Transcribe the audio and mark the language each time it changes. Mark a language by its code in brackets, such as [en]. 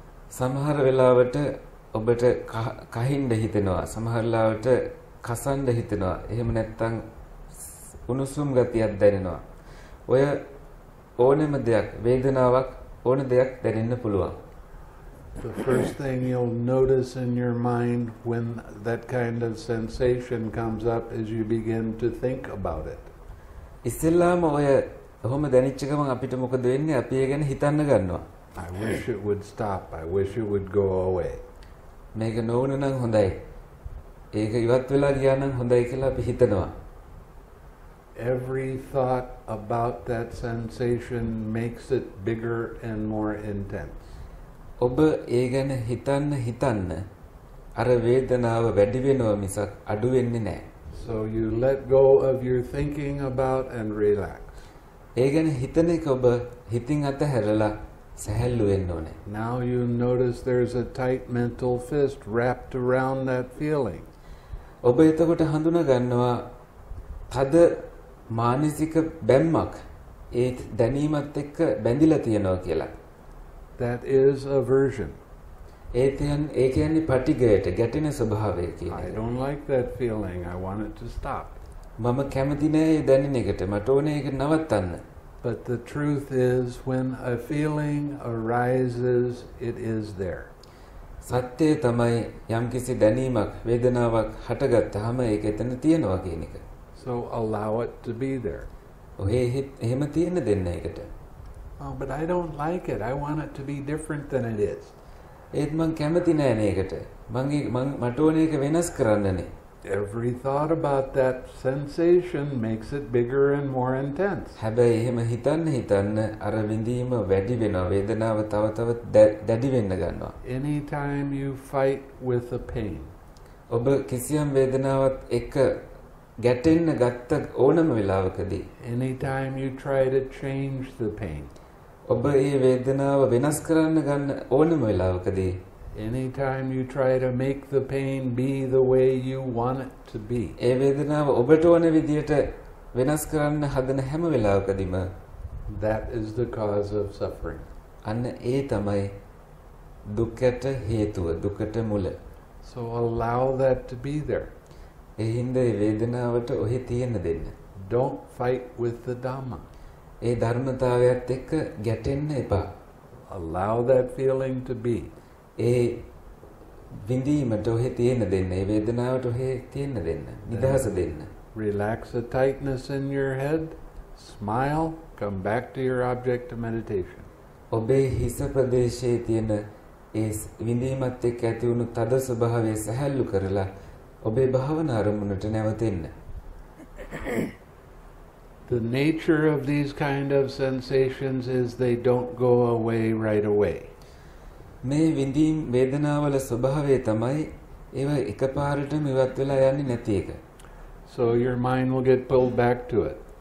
[si] සමහර වෙලාවට ඔබට කහින්ද හිතෙනවා, සමහර වෙලාවට කසන්ද හිතෙනවා, එහෙම නැත්නම් උණුසුම් ගතියක් දැනෙනවා. ඔය ඕනෑම දෙයක් වේදනාවක් ඕන දෙයක් දැනෙන්න පුළුවන්. [en] The first thing you'll notice in your mind when that kind of sensation comes up is you begin to think about it. [si] ඉස්සෙල්ලාම ඔය ඔහොම දැනෙච්ච ගමන් අපිට මොකද වෙන්නේ? අපි ඒ ගැන හිතන්න ගන්නවා. [en] I wish it would stop. I wish it would go away. [si] මේක නොවන නම් හොඳයි. ඒක ඉවත් වෙලා ගියා නම් හොඳයි කියලා අපි හිතනවා. [en] Every thought about that sensation makes it bigger and more intense. [si] ඔබ ඒ ගැන හිතන්න හිතන්න අර වේදනාව වැඩි වෙනවා මිසක් අඩු වෙන්නේ නැහැ. [en] So you let go of your thinking about and relax. [si] ඒ ගැන හිතන එක ඔබ හිතින් අතහැරලා සැහැල්ලු වෙන්න ඕනේ. [en] Now you notice there's a tight mental fist wrapped around that feeling. [si] ඔබ එතකොට හඳුනා ගන්නවා තද මානසික බැම්මක් ඒ දැනීමත් එක්ක බැඳිලා තියෙනවා කියලා. [en] That is aversion. [si] ඒ කියන්නේ පටිගයට ගැටෙන ස්වභාවය කියන එක. [en] I don't like that feeling. I want it to stop. [si] මම කැමති නෑ ඒ දැනෙන එකට. මට ඕනේ ඒක නවත්තන්න. [en] But the truth is, when a feeling arises, it is there. [si] සත්‍යය තමයි යම්කිසි දැනීමක් වේදනාවක් හටගත්තාම ඒක එතන තියෙනවා කියන එක. [en] So allow it to be there. [si] ඔහේ එහෙම තියෙන දෙන්න එකට. [en] Oh, but I don't like it. I want it to be different than it is. [si] ඒත් මං කැමති නෑ මේකට. මං මට ඕනේ ඒක වෙනස් කරන්නනේ. [en] Every thought about that sensation makes it bigger and more intense. [si] හැබැයි එහෙම හිතන්න හිතන්න අර විඳීම වැඩි වෙනවා. වේදනාව තව තවත් දැඩි වෙන්න ගන්නවා. [en] Anytime you fight with a pain. [si] ඔබ කිසියම් වේදනාවක් එක්ක ගැටෙන්න ගත්ත ඕනම වෙලාවකදී. [en] Anytime you try to change the pain. [si] ඔබ ඒ වේදනාව වෙනස් කරන්න ගන්න ඕනම වෙලාවකදී. [en] Anytime you try to make the pain be the way you want it to be. [si] ඒ වේදනාව ඔබට ඕන විදියට වෙනස් කරන්න හදන හැම වෙලාවකදීම. [en] That is the cause of suffering. [si] අන්න ඒ තමයි දුකට හේතුව, දුකට මුල. [en] So allow that to be there. [si] ඒ හින්දා ඒ වේදනාවට ඔහි තියෙන දෙන්න. [en] Don't fight with the Dhamma. [si] ඒ ධර්මතාවයත් එක්ක ගැටෙන්න එපා. [en] Allow that feeling to be. [si] ඒ විඳීමට ඔහි තියෙන දෙන්න, ඒ වේදනාවට ඔහි තියෙන දෙන්න, නිදහස දෙන්න. [en] Relax the tightness in your head. Smile. Come back to your object of meditation. [si] ඔබේ හිස ප්‍රදේශයේ තියෙන ඒ විඳීමත් එක්ක ඇති වුණු තද ස්වභාවය සැහැල්ලු කරලා ඔබේ භාවනා අරමුණට නැවතෙන්න. [en] The nature of these kind of sensations is they don't go away right away. [si] මේ විඳින් වේදනාවල ස්වභාවය තමයි ඒව එකපාරටම ඉවත් වෙලා යන්නේ නැති එක. [en] So your mind will get pulled back to it.